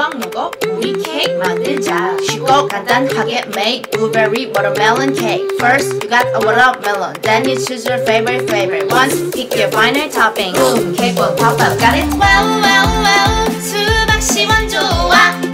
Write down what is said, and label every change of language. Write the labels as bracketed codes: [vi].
[ko] 먹어 우리 케이크 만들자. 쉽고 간단하게 [en] make blueberry watermelon cake. First you got a watermelon, then you choose your favorite flavor. Once pick your final topping. Boom, cake will pop up. Got it? Well, well, well, [ko] 수박 시원 좋아.